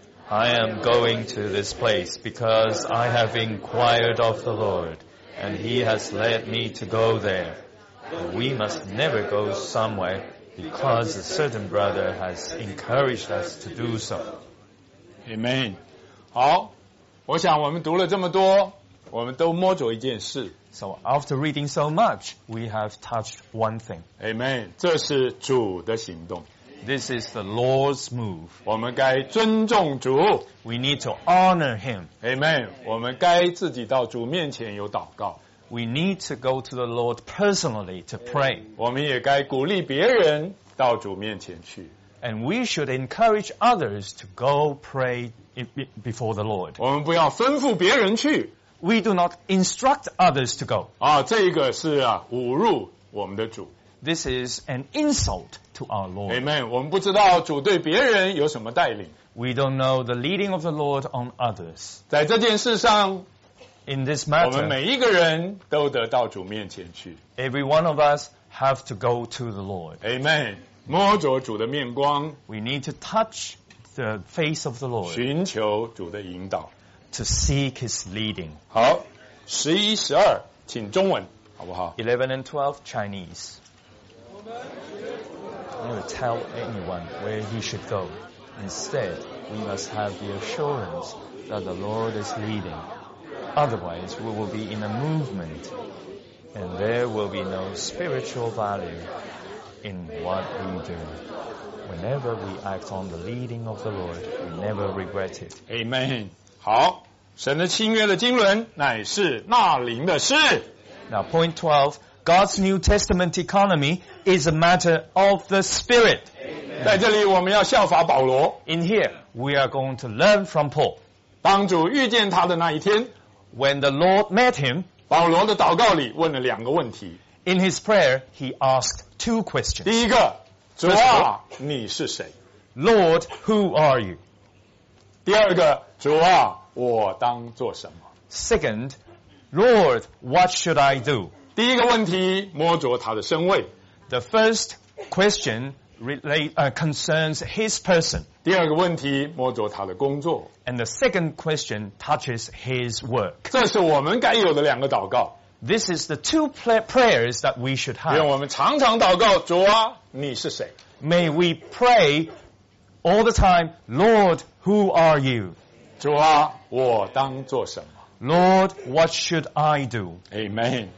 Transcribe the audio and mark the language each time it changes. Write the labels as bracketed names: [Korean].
[English] I am going to this place because I have inquired of the Lord and he has led me to go there but we must never go somewhere because a certain brother has encouraged us to do so [Chinese] Amen 好我想我们读了这么多我们都摸着一件事 [English] So after reading so much we have touched one thing [Chinese] Amen 这是主的行动 [English] This is the Lord's move. [Chinese] 我们该尊重主。 [English] We need to honor him. Amen. [Chinese] 我们该自己到主面前有祷告。 [English] We need to go to the Lord personally to pray. [Chinese] 我们也该鼓励别人到主面前去。 [English] And we should encourage others to go pray before the Lord. [Chinese] 我们不要吩咐别人去。 [English] We do not instruct others to go. [Chinese] 啊，这个是啊，侮辱我们的主。 [English] This is an insult to our Lord. Amen. [Chinese] 我们不知道主对别人有什么带领。 [English] We don't know the leading of the Lord on others. [Chinese] 在这件事上 [English] ，In this matter, [Chinese] 我们每一个人都得到主面前去。 [English] Every one of us have to go to the Lord. [Chinese] Amen. 摸着主的面光。 [English] We need to touch the face of the Lord. [Chinese] 寻求主的引导。 [English] To seek His leading. [Chinese] 好，十一十二，请中文，好不好 [English] ？11 and 12 Chinese. I'm going to tell anyone where he should go. Instead, we must have the assurance that the Lord is leading. Otherwise, we will be in a movement, and there will be no spiritual value in what we do. Whenever we act on the leading of the Lord, we never regret it. Amen. 好。 [Chinese] 神的新约的经纶乃是那灵的事。 [English] Now point 12, God's New Testament economy is a matter of the Spirit. [Chinese] 在这里我们要效法保罗。 [English] In here, we are going to learn from Paul. [Chinese] 当主遇见他的那一天 [English] ,When the Lord met him, [Chinese] 保罗的祷告里问了两个问题。 [English] In his prayer, he asked two questions. [Chinese] 第一个，主啊，你是谁 [English] ?Lord, who are you? [Chinese] 第二个，主啊，我当做什么 [English] ?Second, Lord, what should I do? [Chinese] 第一个问题摸着他的身位。 [English] The first question concerns his person. [Chinese] 第二个问题摸着他的工作。 [English] And the second question touches his work. [Chinese] 这是我们该有的两个祷告。 [English] This is the two prayers that we should have. [Chinese] 愿我们常常祷告主啊你是谁 [English] ?May we pray all the time, Lord, who are you? [Chinese] 主啊我当做什么 [English] ?Lord, what should I do? Amen.